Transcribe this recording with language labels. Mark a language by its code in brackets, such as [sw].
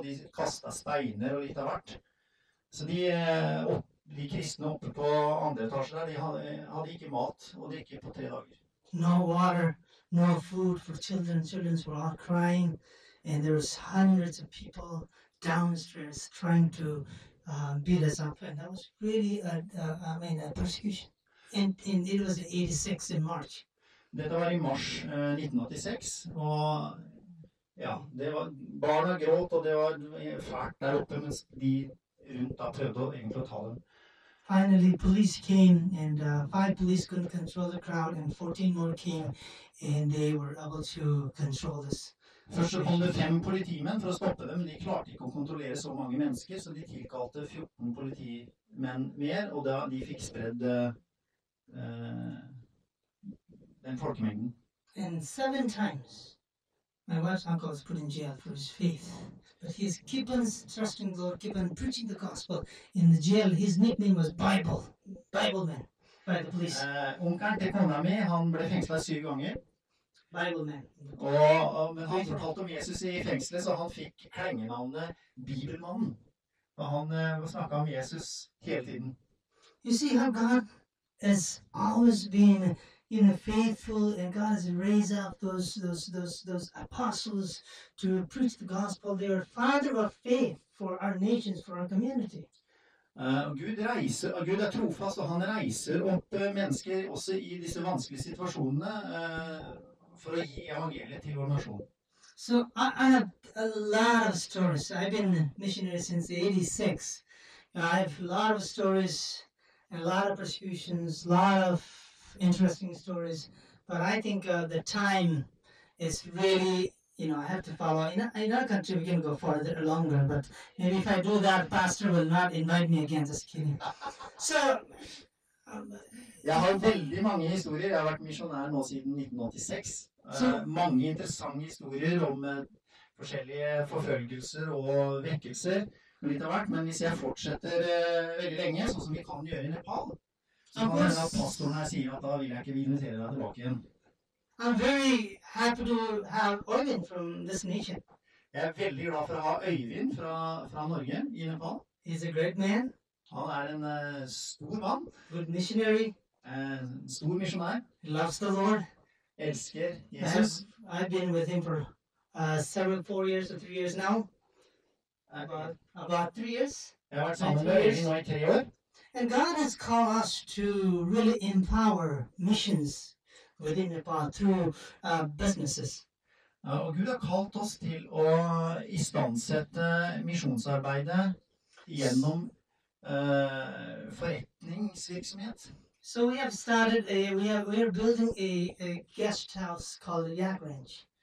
[no] De kastet steiner og litt av hvert. Så de kristne oppe på andre etasje der, de hadde ikke mat å drikke på 3 dager. [en] No water, no food for children. Children were all crying. And there was hundreds of people downstairs trying to beat us up. And that was really a persecution. And it was 86 in March. [no] Dette var i mars 1986, og ja, det var barna gråt, og det var fælt der oppe, mens de rundt da prøvde å egentlig ta dem. [en] Finally, police came, and 5 police couldn't control the crowd, and 14 more came, and they were able to control this. [no] Først så kom det 5 politimenn for å stoppe dem, men de klarte ikke å kontrollere så mange mennesker, så de tilkalte 14 politimenn mer, og da de fikk spredd den folkemengden. [en] And 7 times my wife's uncle was put in jail for his faith, but he's keep on trusting God, keep on preaching the gospel in the jail. His nickname was Bible man by the police. [no] Onkelen til kona mi, han ble fengslet 7 ganger. [en] Bible man. [no] Men han fortalte om Jesus i fengselet, så han fikk klengenavnet Bibelmannen, og han snakket om Jesus hele tiden. [en] You see how God has always been, you know, faithful, and God has raised up those apostles to preach the gospel. They are father of faith for our nations, for our community. [no] Gud er trofast, og han reiser opp mennesker også i disse vanskelige situasjonene for å gi evangeliet til vår nasjon. [en] So I have a lot of stories. I've been missionary since 86. I have a lot of stories. A lot of persecutions, a lot of interesting stories, but I think the time is really, you know, I have to follow. In our country, we can go further or longer, but maybe if I do that, pastor will not invite me again, just kidding. So, [no] jeg har veldig mange historier. Jeg har vært misjonær nå siden 1986. So, mange interessante historier om forskjellige forfølgelser og vekkelser. Litt av hvert, men hvis jeg fortsetter veldig lenge, sånn som vi kan gjøre i Nepal, så kan denne pastoren her si at da vil jeg ikke invitere deg tilbake igjen. [en] I'm very happy to have Øyvind from this nation. [no] Jeg er veldig glad for å ha Øyvind fra Norge i Nepal. [en] He's a great man. [no] Han er en stor mann. [en] Good missionary. [no] Stor misjonær. [en] He loves the Lord. [no] Elsker Jesus. [en] I've been with him for several, 4 years or 3 years now. About 3 years. [no] Jeg har vært sammen med Øyvind nå i 3 år. [en] And God has called us to really empower missions within Nepal through businesses. [no] Og Gud har kalt oss til å istandsette misjonsarbeidet gjennom forretningsvirksomhet. [en] So we have started, we are building a guest house called Yak Ranch.